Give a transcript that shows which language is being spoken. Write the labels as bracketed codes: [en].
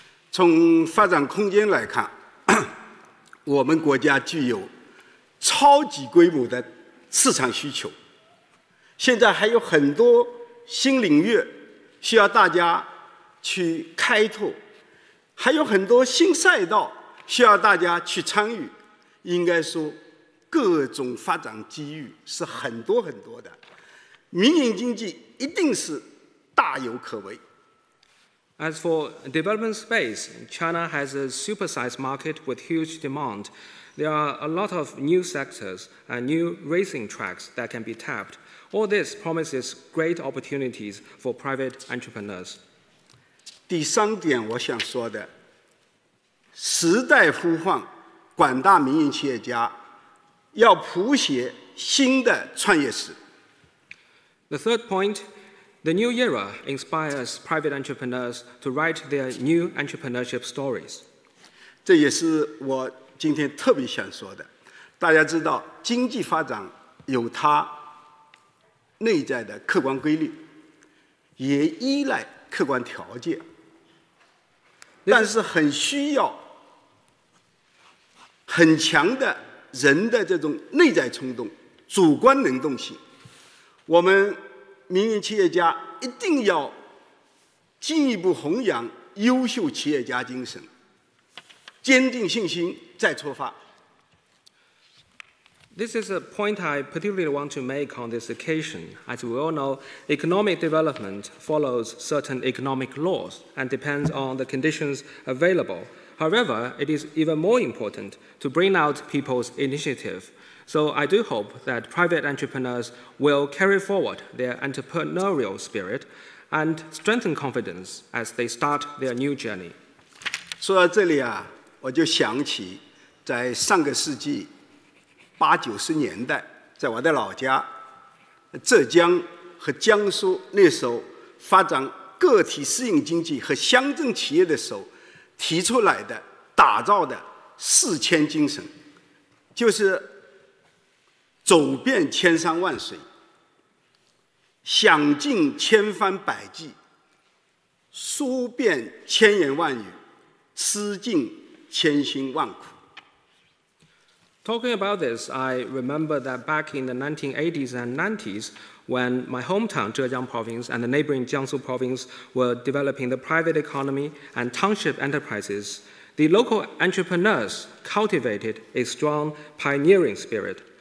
[zh] 从发展空间来看，我们国家具有超级规模的市场需求，现在还有很多新领域需要大家去开拓，还有很多新赛道需要大家去参与。应该说，各种发展机遇是很多很多的，民营经济一定是大有可为。 [en] As for development space, China has a supersized market with huge demand. There are a lot of new sectors and new racing tracks that can be tapped. All this promises great opportunities for private entrepreneurs. [zh] 第三点我想说的，时代呼唤广大民营企业家要谱写新的创业史。 [en] The third point,The new era inspires private entrepreneurs to write their new entrepreneurship stories. [zh] 这也是我今天特别想说的。大家知道，经济发展有它内在的客观规律，也依赖客观条件，但是很需要很强的人的这种内在冲动、主观能动性。我们民营企业家一定要进一步弘扬优秀企业家精神，坚定信心再出发。 [en] This is a point I particularly want to make on this occasion. As we all know, economic development follows certain economic laws and depends on the conditions available. However, it is even more important to bring out people's initiative. So I do hope that private entrepreneurs will carry forward their entrepreneurial spirit and strengthen confidence as they start their new journey. [zh] 说到这里啊，我就想起在上个世纪八九十年代，在我的老家浙江和江苏，那时候发展个体私营经济和乡镇企业的时候提出来的打造的四千精神，就是走遍千山万水，想尽千方百计，说遍千言万语，吃尽千辛万苦。 [en] Talking about this, I remember that back in the 1980s and 90s, when my hometown Zhejiang province and the neighboring Jiangsu province were developing the private economy and township enterprises, The local entrepreneurs cultivated a strong pioneering spirit.